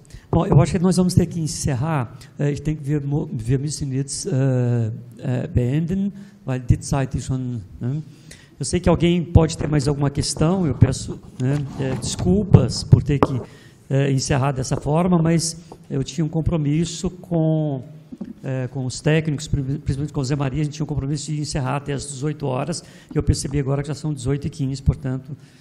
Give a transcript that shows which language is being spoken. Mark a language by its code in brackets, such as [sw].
[pt] Bom, eu acho que nós vamos ter que encerrar. [de] Ich denke, wir müssen jetzt beenden, weil die Zeit ist schon. [pt] Né? Eu sei que alguém pode ter mais alguma questão, eu peço, né, desculpas por ter que encerrar dessa forma, mas eu tinha um compromisso com os técnicos, principalmente com o Zé Maria, a gente tinha um compromisso de encerrar até as 18 horas, e eu percebi agora que já são 18h15, portanto.